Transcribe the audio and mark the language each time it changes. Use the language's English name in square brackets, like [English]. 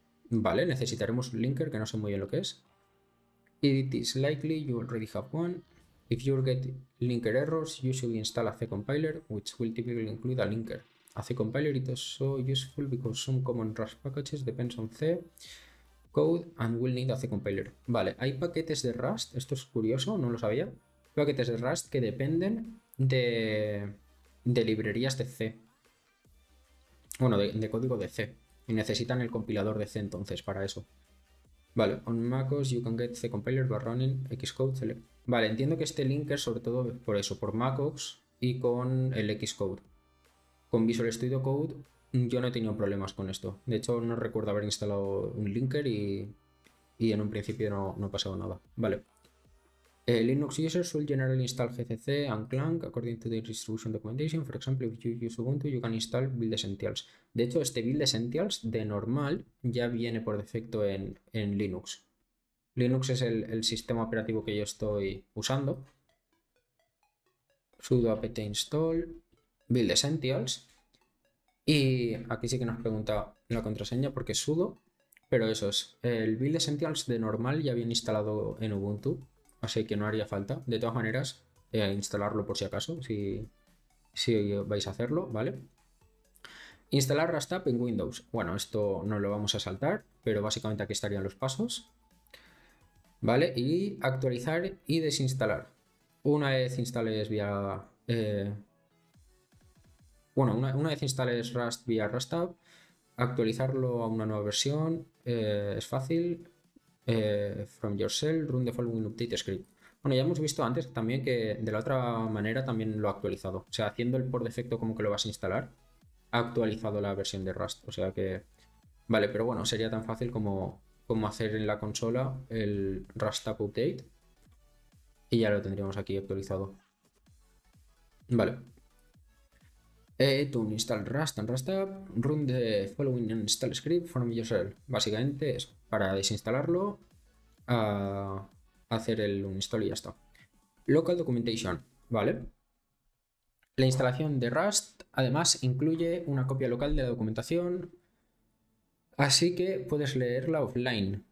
[Spanish] Vale, necesitaremos un linker que no sé muy bien lo que es. [English] It is likely you already have one. If you get linker errors, you should install a C compiler, which will typically include a linker. A C compiler it is so useful because some common Rust packages depends on C code and will need a C compiler. [Spanish] Vale, hay paquetes de Rust, esto es curioso, no lo sabía. Paquetes de Rust que dependen de librerías de C. Bueno, de código de C. Y necesitan el compilador de C entonces para eso. [English] Vale, on macOS you can get C compiler by running Xcode select. [Spanish] Vale, entiendo que este linker sobre todo por eso, por macOS y con el Xcode. Con Visual Studio Code yo no he tenido problemas con esto. De hecho, no recuerdo haber instalado un linker y en un principio no ha pasado nada. Vale. [English] Linux users will generally install gcc and clang according to the distribution documentation. For example, if you use Ubuntu, you can install build essentials. [Spanish] De hecho, este build essentials de normal ya viene por defecto en Linux. Linux es el sistema operativo que yo estoy usando. Sudo apt install build essentials. Y aquí sí que nos pregunta la contraseña porque es sudo. Pero eso es. El build essentials de normal ya viene instalado en Ubuntu. Así que no haría falta. De todas maneras, instalarlo por si acaso, si vais a hacerlo, ¿vale? Instalar Rust App en Windows. Bueno, esto no lo vamos a saltar, pero básicamente aquí estarían los pasos. ¿Vale? Y actualizar y desinstalar. Una vez instales vía. Bueno, una vez instales Rust vía Rust App, actualizarlo a una nueva versión es fácil. [English] From your shell, run the following update script. [Spanish] Bueno, ya hemos visto antes también que de la otra manera también lo ha actualizado. O sea, haciendo el por defecto como que lo vas a instalar, ha actualizado la versión de Rust. O sea que. Vale, pero bueno, sería tan fácil como hacer en la consola el Rust Update. Y ya lo tendríamos aquí actualizado. Vale. [English] To install Rust and Rust App, run the following install script from your shell. [Spanish] Básicamente es para desinstalarlo, hacer el uninstall y ya está. Local documentation, ¿vale? La instalación de Rust además incluye una copia local de la documentación, así que puedes leerla offline.